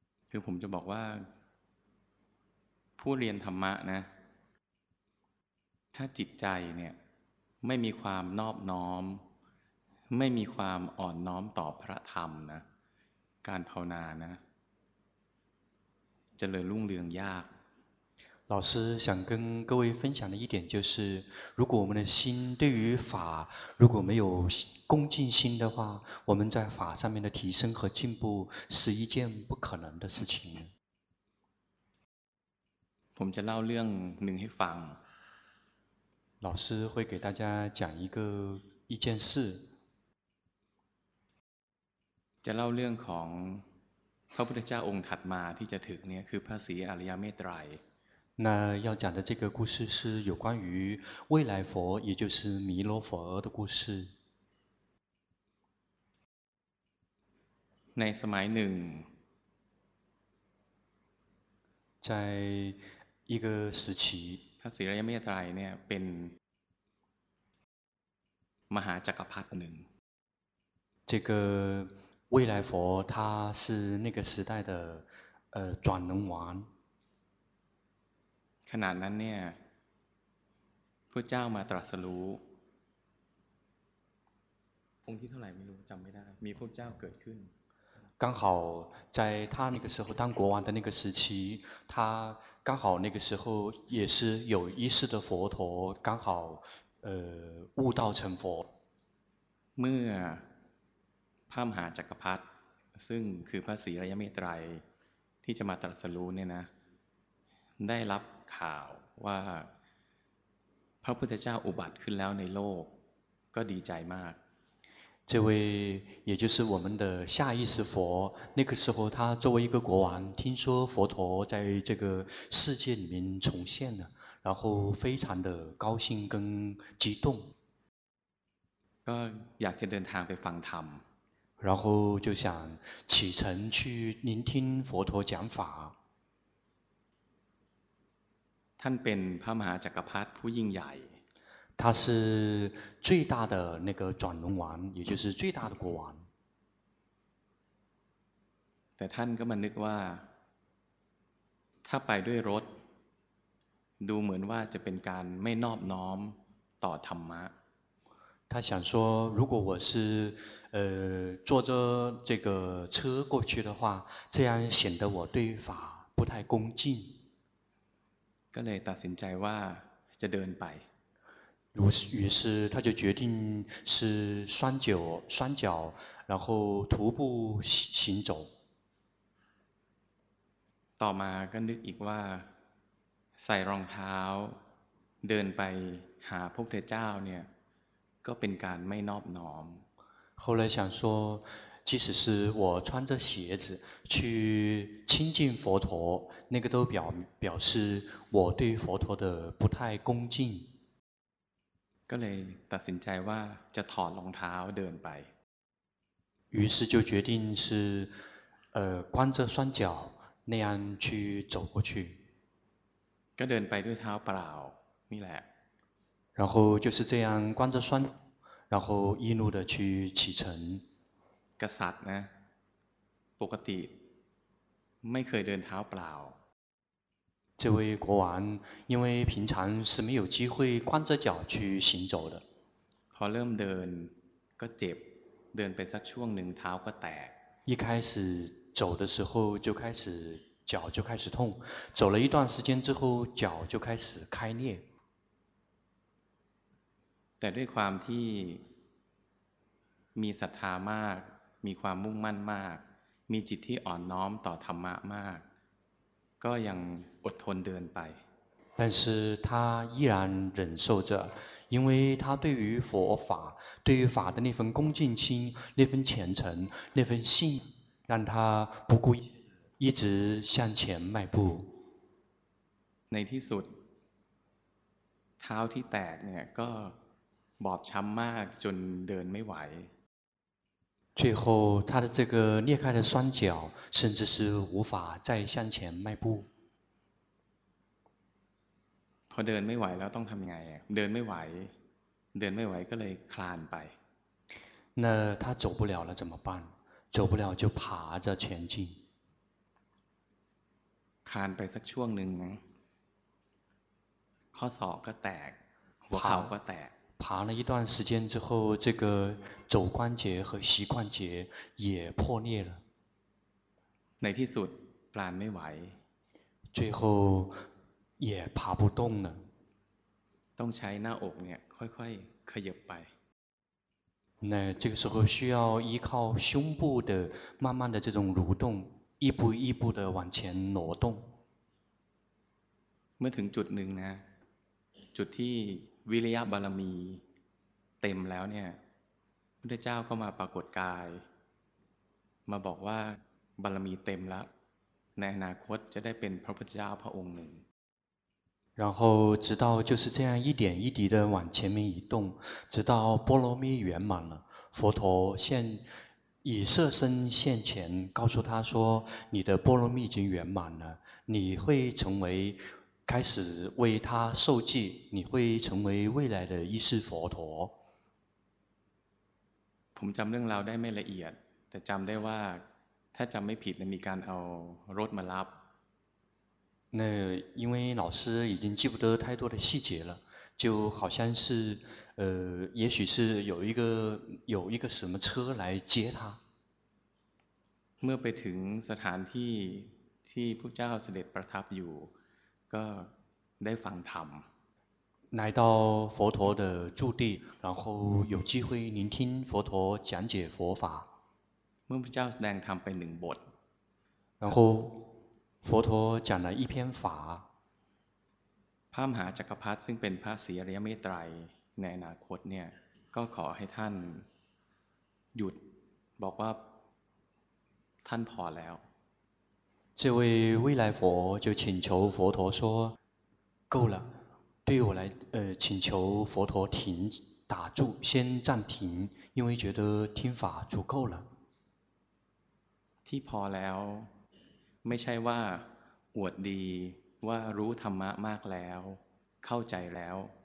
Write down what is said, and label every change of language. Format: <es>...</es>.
<th>คือผมจะบอกว่าผู้เรียนธรรมะนะถ้าจิตใจเนี่ยไม่มีความนอบน้อมไม่มีความอ่อนน้อมต่อพระธรรมนะการภาวนานะจะเจริญรุ่งเรืองยาก</th> <zh>老师想跟各位分享的一点就是如果我们的心对于法如果没有恭敬心的话我们在法上面的提升和进步是一件不可能的事情</zh> <th>ผมจะเล่าเรื่องหนึ่งให้ฟัง</th> <zh>老师会给大家讲一件事</zh> <th>จะเล่าเรื่องของพระพุทธเจ้าองค์ถัดมาที่จะถึงเนี่ยคือพระศรีอริยเมตตรัย</th> <zh>那要讲的这个故事是有关于未来佛也就是弥勒佛的故事</zh> <th>ในสมัยหนึ่ง</th> <zh>在一个时期</zh> <th>พระศรีอริยเมตตรัยเนี่ยเป็นมหาจักรพรรดิหนึ่ง</th> <zh>这个未来佛他是那个时代的转轮王</zh> <th>ขนาดนั้นเนี่ยพระเจ้ามาตรัสรู้องค์ที่เท่าไหร่ไม่รู้จำไม่ได้มีพระเจ้าเกิดขึ้น</th> <zh>刚好在他那个时候当国王的那个时期他刚好那个时候也是有一世的佛陀刚好悟道成佛</zh> <th>เมื่อพระมหาจักรพรรดิซึ่งคือพระศรีอริยเมตตรัยที่จะมาตรัสรู้เนี่ยนะได้รับข่าวว่าพระพุทธเจ้าอุบัติขึ้นแล้วในโลกก็ดีใจมาก</th> <zh>这位也就是我们的下一世佛那个时候他作为一个国王听说佛陀在这个世界里面重现了然后非常的高兴跟激动</zh> <th>ก็อยากจะเดินทางไปฟังธรรม</th> <zh>然后就想启程去聆听佛陀讲法</zh> <th>ท่านเป็นพระมหาจักรพรรดิผู้ยิ่งใหญ่</th> <zh>他是最大的那个转轮王也就是最大的国王</zh> <th>แต่ท่านก็มานึกว่าถ้าไปด้วยรถดูเหมือนว่าจะเป็นการไม่นอบน้อมต่อธรรมะ</th> <zh>他想说如果我是坐着这个车过去的话这样显得我对法不太恭敬</zh> <th>ก็เลยตัดสินใจว่าจะเดินไป</th> <zh>于是他就决定是双脚然后徒步行走。</zh> <th>ต่อมาก็นึกอีกว่าใส่รองเท้าเดินไปหาพระพุทธเจ้าเนี่ยก็เป็นการไม่นอบน้อม</th> <zh>后来想说即使是我穿着鞋子去亲近佛陀那个都表示我对佛陀的不太恭敬</zh> <th>ก็เลยตัดสินใจว่าจะถอดรองเท้าเดินไป</th> <zh>于是就决定是光着双脚那样去走过去</zh> <th>ก็เดินไปด้วยเท้าเปล่านี่แหละ</th> <zh>然后就是这样光着双然后一路的去启程</zh> <th>กษัตริย์นะปกติไม่เคยเดินเท้าเปล่า</th> <zh>这位国王因为平常是没有机会光着脚去行走的</zh> <th>พอเริ่มเดินก็เจ็บเดินไปสักช่วงหนึ่งเท้าก็แตก</th> <zh>一开始走的时候就开始脚就开始痛走了一段时间之后脚就开始开裂</zh> <th>แต่ด้วยความที่มีศรัทธามากมีความมุ่งมั่นมากมีจิตที่อ่อนน้อมต่อธรรมะมากก็ยังอดทนเดินไป</th> <zh>但是他依然忍受着因为他对于佛法对于法的那份恭敬心那份虔诚那份信让他不顾一直向前迈步</zh> <th>ในที่สุดเท้าที่แตกเนี่ยก็บอบช้ำมากจนเดินไม่ไหว</th> <zh>最后他的这个裂开的双脚甚至是无法再向前迈步</zh> <th>พอเดินไม่ไหวแล้วต้องทำยังไงเดินไม่ไหวเดินไม่ไหวก็เลยคลานไป</th> <zh>那他走不了了怎么办走不了就爬着前进</zh> <th>คลานไปสักช่วงหนึ่งข้อศอกก็แตกหัวเข่าก็แตก</th> <zh>爬了一段时间之后这个肘关节和膝关节也破裂了</zh> <th>ในที่สุดคลานไม่ไหว</th> <zh>最后也爬不动了</zh> <th>ต้องใช้หน้าอกเนี่ยค่อยๆขยับไป</th> <zh>那这个时候需要依靠胸部的慢慢的这种蠕动一步一步的往前挪动</zh> <th>เมื่อถึงจุดหนึ่งนะจุดที่วิริยะบารมีเต็มแล้วเนี่ยพุทธเจ้าก็มาปรากฏกายมาบอกว่าบารมีเต็มแล้วในอนาคตจะได้เป็นพระพุทธเจ้าพระองค์หนึ่ง</th> <zh>然后直到就是这样一点一滴的往前面移动直到波罗蜜圆满了佛陀现以色身现前告诉他说你的波罗蜜已经圆满了你会成为开始为他受记你会成为未来的一世佛陀</zh> <th>ผมจำเรื่องราวได้ไม่ละเอียดแต่จำได้ว่าถ้าจำไม่ผิดมีการเอารถมารับ</th> <zh>那因为老师已经记不得太多的细节了就好像是也许是有一个什么车来接他</zh> <th>เมื่อไปถึงสถานที่ที่พระเจ้าเสด็จประทับอยู่ก็ได้ฟังธรรม</th> <zh>来到佛陀的住地然后有机会聆听佛陀讲解佛法</zh> <th>เมื่อพระเจ้าแสดงธรรมไปหนึ่งบท</th> <zh>然后佛陀讲了一篇法</zh> <th>พระมหาจักรพรรดิซึ่งเป็นพระศรีอริยเมตไตรในอนาคตเนี่ยก็ขอให้ท่านหยุดบอกว่าท่านพอแล้ว</th> <zh>这位未来佛就请求佛陀说够了对我来请求佛陀停打住先暂停因为觉得听法足够了</zh> <th>ที่พอแล้วไม่ใช่ว่าอวดดีว่ารู้ธรรมะมากแล้วเข้าใจแล้ว</th>